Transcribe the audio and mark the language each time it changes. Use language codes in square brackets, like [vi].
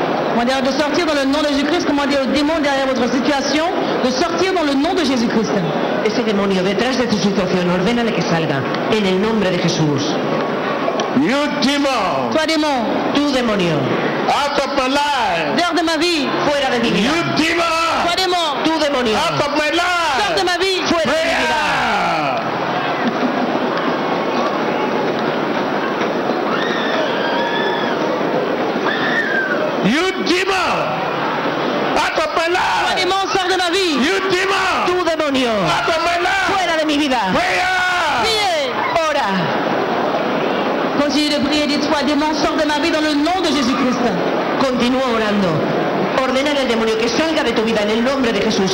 [fr] Commandez-leur de sortir dans le nom de Jésus-Christ. Commandez-leur aux démons derrière votre situation de sortir dans le nom de Jésus-Christ. [es] Ese demonio detrás de tu situación, ordénale que salga en el nombre de Jesús. [en] You demon. [fr] Toi démon. [es] Tu demonio. [en] Out of my life. [fr] Dehors de ma vie. [es] Fuera de mi vida. [en] You demon. [fr] Toi démon. [es] Tu demonio. [en] Out of my life. [fr] Dehors de ma vie. [es] Fuera de mi vida. [en] You demon, out of my life. [fr] Tu démon, sors de ma vie. [en] You demon, [es] tu demonio. [en] Out of my life. [es] Fuera de mi vida. [fr] Prie. [es] Ora. [fr] Continue de prier, dis-toi, démon, sors de ma vie dans le nom de Jésus-Christ. [es] Continúa orando. Ordénale al demonio que salga de tu vida en el nombre de Jesús.